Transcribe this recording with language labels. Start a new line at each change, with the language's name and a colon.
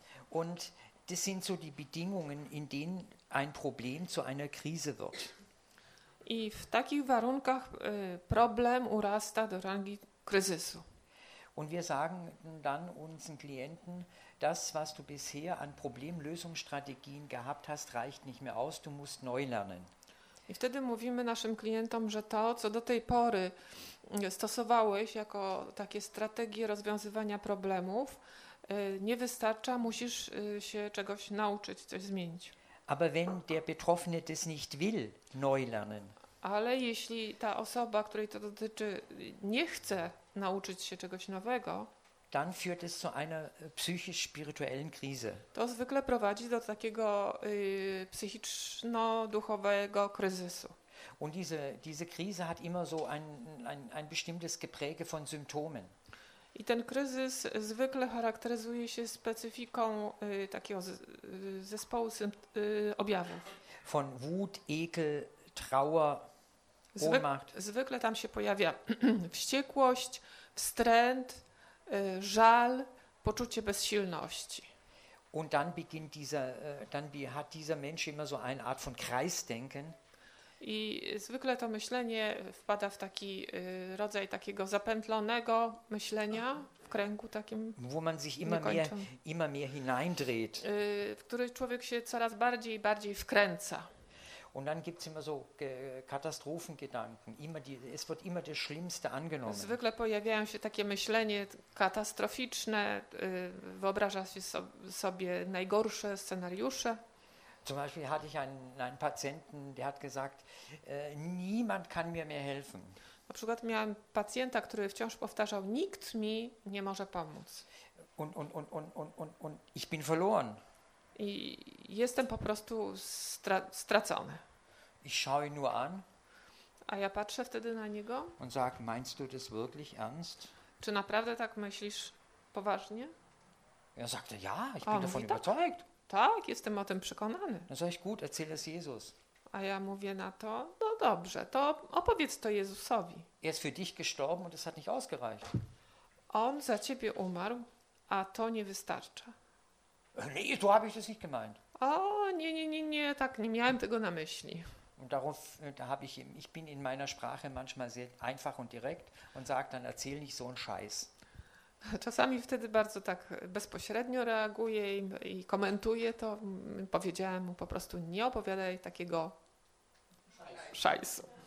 German: Und das sind so die Bedingungen, in denen ein Problem zu einer Krise wird.
Polish: I w takich warunkach problem urasta do rangi kryzysu.
German: Und wir sagen dann unseren Klienten, das, was du bisher an Problemlösungsstrategien gehabt hast, reicht nicht mehr aus, du musst neu lernen.
Polish: I wtedy mówimy naszym klientom, że to, co do tej pory stosowałeś jako takie strategie rozwiązywania problemów, nie wystarcza, musisz się czegoś nauczyć, coś zmienić.
German: Aber wenn der Betroffene das nicht will, neu lernen.
Polish: Ale jeśli ta osoba, której to dotyczy, nie chce nauczyć się czegoś nowego,
German: dann führt es zu einer psychisch-spirituellen Krise.
Polish: To zwykle prowadzi do takiego psychiczno-duchowego kryzysu.
German: Und diese Krise hat immer so ein bestimmtes Gepräge von Symptomen.
Polish: I ten kryzys zwykle charakteryzuje się specyfiką takiego zespołu objawów.
German: Von Wut, Ekel, Trauer, Ohnmacht.
Polish: Zwykle tam się pojawia wściekłość, wstręt, żal, poczucie bezsilności.
German: Und dann beginnt hat dieser Mensch immer so eine Art von Kreisdenken.
Polish: I zwykle to myślenie wpada w taki rodzaj takiego zapętlonego myślenia, w kręgu takim,
German: wo man sich immer mehr hineindreht.
Polish: W który człowiek się coraz bardziej i bardziej wkręca.
German: Und dann gibt's immer so Katastrophengedanken, es wird immer das Schlimmste angenommen.
Polish: Zwykle pojawiają się takie myślenie katastroficzne, wyobraża się sobie najgorsze scenariusze.
German: Zum Beispiel hatte ich einen Patienten, der hat gesagt, niemand kann mir mehr helfen.
Polish: Na przykład miałem pacjenta, który wciąż powtarzał, nikt mi nie może pomóc.
German: Und ich bin verloren.
Polish: I jestem po prostu stracony.
German: Ich schaue ihn nur an.
Polish: A ja patrzę wtedy na niego.
German: Und sag, meinst du das wirklich ernst?
Polish: Czy naprawdę tak myślisz poważnie?
German: Er sagte, ja, ich bin davon überzeugt.
Polish: Tak, jestem o tym przekonany.
German: No sagst gut, erzähl es Jesus.
Polish: A ja mówię na to, no dobrze, to opowiedz to Jezusowi.
German: Er ist für dich gestorben und es hat nicht ausgereicht.
Polish: On za ciebie umarł, a to nie wystarcza.
German: Nee, so habe ich das nicht gemeint.
Polish: O, nie, tak nie miałem tego na myśli.
German: Und darauf habe ich ihm, ich bin in meiner Sprache manchmal sehr einfach und direkt und sage dann, erzähl nicht so einen Scheiß.
Polish: Czasami wtedy bardzo tak bezpośrednio reaguję i komentuję to. Powiedziałem mu po prostu, nie opowiadaj takiego szajsu.